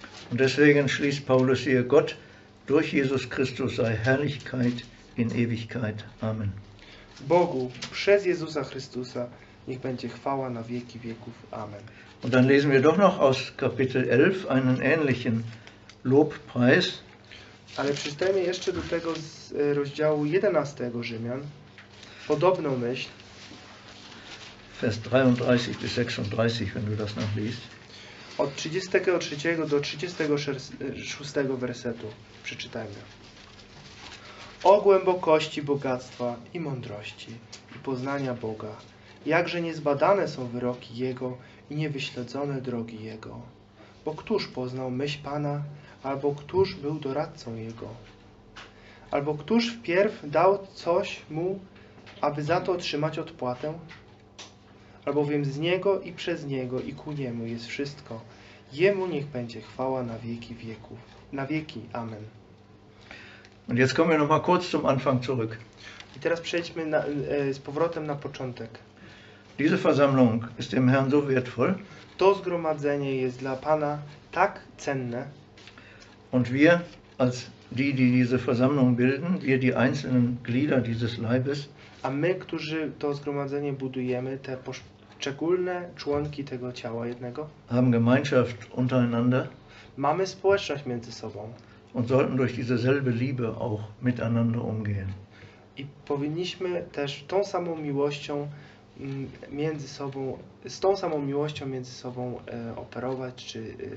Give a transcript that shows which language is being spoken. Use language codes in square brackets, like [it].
[de] Und deswegen schließt Paulus hier: Gott durch Jesus Christus sei Herrlichkeit in Ewigkeit. Amen. [pl] Bogu przez Jezusa Chrystusa niech będzie chwała na wieki wieków. Amen. [de] Und dann lesen wir doch noch aus Kapitel 11 einen ähnlichen Lobpreis. [pl] Ale przeczytajmy jeszcze do tego z rozdziału 11 Rzymian podobną myśl. [de] Vers 33 bis 36, wenn du das noch liest. [pl] Od 33 do 36 wersetu przeczytajmy. O głębokości bogactwa i mądrości i poznania Boga, jakże niezbadane są wyroki Jego i niewyśledzone drogi Jego. Bo któż poznał myśl Pana, albo któż był doradcą Jego? Albo któż wpierw dał coś Mu, aby za to otrzymać odpłatę? Albowiem z Niego i przez Niego i ku Niemu jest wszystko. Jemu niech będzie chwała na wieki wieków. Na wieki. Amen. [de] Und jetzt kommen wir noch mal kurz zum Anfang zurück. [pl] I teraz przejdźmy z powrotem na początek. [de] Diese Versammlung ist dem Herrn so wertvoll. [pl] To zgromadzenie jest dla Pana tak cenne. [de] Und wir, als die, die diese Versammlung bilden, wir die einzelnen Glieder dieses Leibes, [pl] a my, którzy to zgromadzenie budujemy, te poszczególne członki tego ciała jednego, [de] haben Gemeinschaft untereinander, [pl] mamy społeczność między sobą [de] und sollten durch dieselbe Liebe auch miteinander umgehen. [pl] I powinniśmy też tą samą miłością między sobą, z tą samą miłością między sobą operować, czy